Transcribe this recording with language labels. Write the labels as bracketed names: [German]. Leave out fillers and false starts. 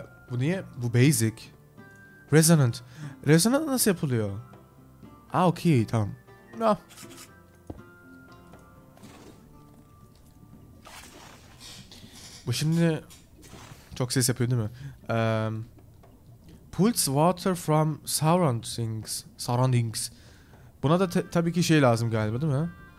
[Turkish] Bu niye? Bu basic. Resonant. Resonant nasıl yapılıyor? Aa, okey. Tamam. Ah. Bu şimdi çok ses yapıyor, değil mi? [English] Pulse water from surroundings. Surroundings. [Turkish] Buna da tabii ki şey lazım galiba, değil mi?